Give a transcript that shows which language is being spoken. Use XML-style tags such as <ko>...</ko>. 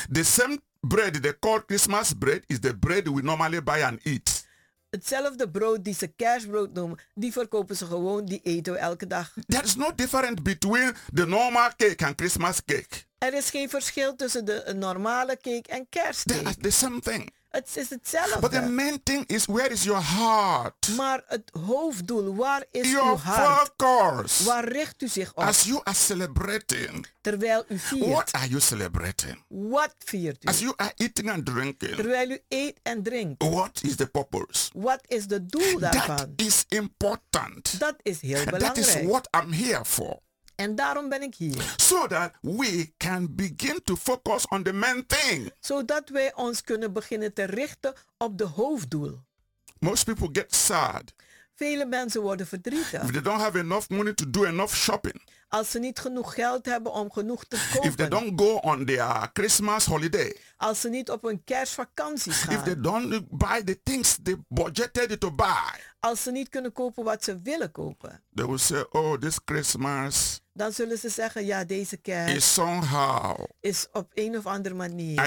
<en>The same bread, they call Christmas bread, is the bread we normally buy and eat.</en> <nl>Hetzelfde brood die ze kerstbrood noemen, die verkopen ze gewoon, die eten we elke dag.</nl> <en>There is no difference between the normal cake and Christmas cake.</en> <nl>Er is geen verschil tussen de normale cake en kerstcake.</nl> <en>They are the same thing.</en> <nl>Het is hetzelfde.</nl> <en>But the main thing is, where is your heart?</en> <nl>Maar het hoofddoel, waar is</nl> <en>your</en> <nl>uw hart?</nl> <en>Your focus.</en> <nl>Waar richt u zich op?</nl> <en>As you are celebrating.</en> <nl>Terwijl u viert.</nl> <en>What are you celebrating?</en> <nl>Wat viert u?</nl> <en>As you are eating and drinking.</en> <nl>Terwijl u eet en drinkt.</nl> <en>What is the purpose?</en> <nl>Wat is de doel daarvan?</nl> <en>That is important.</en> <nl>Dat is heel belangrijk.</nl> <en>That is what I'm here for.</en> <nl>En daarom ben ik hier.</nl> <en>So that we can begin to focus on the main thing.</en> <nl>Zodat wij ons kunnen beginnen te richten op de hoofddoel.</nl> <en>Most people get sad.</en> <nl>Vele mensen worden verdrietig.</nl> <en>If they don't have enough money to do enough shopping.</en> <nl>Als ze niet genoeg geld hebben om genoeg te kopen.</nl> <en>If they don't go on their Christmas holiday.</en> <nl>Als ze niet op hun kerstvakantie gaan.</nl> <en>If they don't buy the things they budgeted to buy.</en> <nl>Als ze niet kunnen kopen wat ze willen kopen.</nl> <en>They will say, oh, this Christmas.</en> <nl>Dan zullen ze zeggen, ja, deze kerst.</nl> <en>Is somehow.</en> <nl>Is op een of andere manier.</nl>